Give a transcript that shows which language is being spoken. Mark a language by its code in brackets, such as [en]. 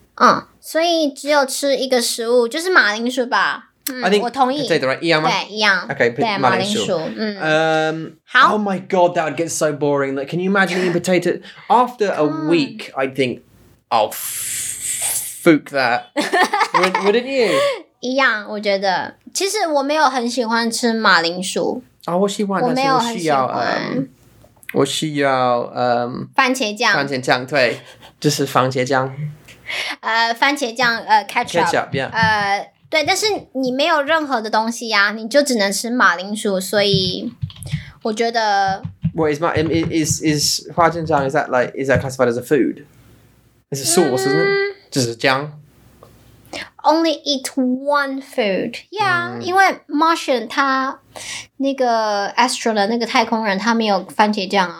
[zh] 嗯，所以只有吃一个食物，就是马铃薯吧。 [en] I think [zh] 我同意 [en] potato, right? [zh] 一样吗？对，一样。 [en] Okay, [zh] 对，马铃薯。好。 [en] Oh my god, that would get so boring. Like, can you imagine eating potato after a week? I think. I'll fook that. Wouldn't you? [zh] 一样，我觉得。其实我没有很喜欢吃马铃薯。啊，我喜欢，我没有很喜欢。我需要番茄酱。番茄酱，对，就是番茄酱。番茄酱，ketchup。 [en] Ketchup, yeah. [zh] 对，但是你没有任何的东西呀，你就只能吃马铃薯，所以我觉得。 [en] What is is 花椒酱 is that classified as a food? It's a sauce, isn't it? [zh] 就是姜。 [en] Only eat one food. Yeah,、 [zh] mm. 因为 Martian 他那个 astronaut 那个太空人他没有番茄酱啊。